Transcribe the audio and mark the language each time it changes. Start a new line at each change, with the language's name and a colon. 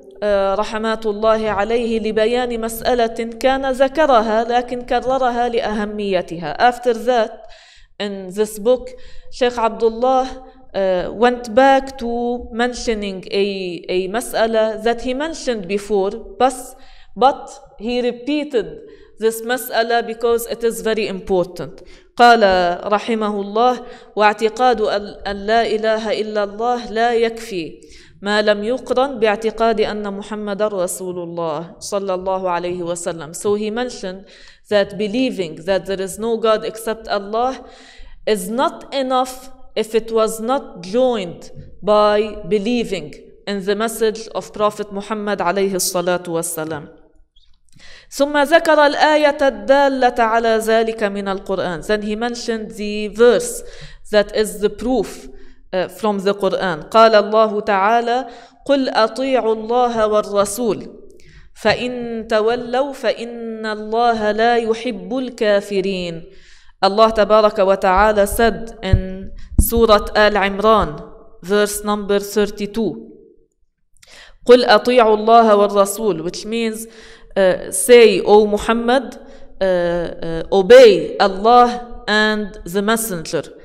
Arabic: رحمات الله عليه لبيان مسألة كان ذكرها لكن كررها لأهميتها.
English: After that, in this book, Sheikh Abdullah went back to mentioning a مسألة that he mentioned before, but he repeated this مسألة because it is very important.
Arabic: قال رحمه الله واعتقاد أن لا إله إلا الله لا يكفي ما لم يقرن باعتقاد أن محمد رسول الله صلى الله عليه وسلم.
English: So he mentioned that believing that there is no God except Allah is not enough if it was not joined by believing in the message of Prophet Muhammad
Arabic: عليه الصلاة والسلام. ثم ذكر الآية الدالة على ذلك من القرآن.
English: Then he mentioned the verse that is the proof from the Quran.
Arabic: قال الله تعالى قل أطيعوا الله والرسول فإن تولوا فإن الله لا يحب الكافرين.
English: Allah
Arabic: تبارك وتعالى
English: said in Surah Al-Imran, verse number 32,
Arabic: قل أطيعوا الله والرسول,
English: which means say, O Muhammad, obey Allah and the Messenger.